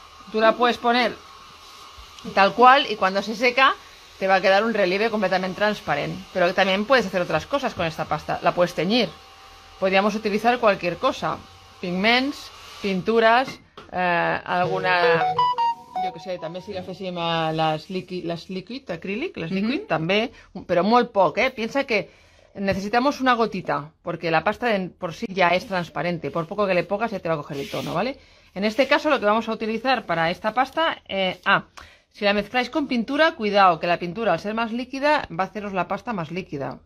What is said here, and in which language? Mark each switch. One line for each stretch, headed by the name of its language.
Spanish: Tú la puedes poner tal cual y cuando se seca te va a quedar un relieve completamente transparente. Pero también puedes hacer otras cosas con esta pasta. La puedes teñir. Podríamos utilizar cualquier cosa. Pigments, pinturas, alguna... Yo que sé,
Catalan: també si agaféssim les líquid, acrílic, les líquid, també, però molt poc, eh?
Spanish: Piensa que necesitamos una gotita, porque la pasta por sí ya es transparente, por poco que le pongas ya te va a coger el tono, ¿vale? En este caso lo que vamos a utilizar para esta pasta, si la mezcláis con pintura, cuidado, que la pintura al ser más líquida va a haceros la pasta más líquida.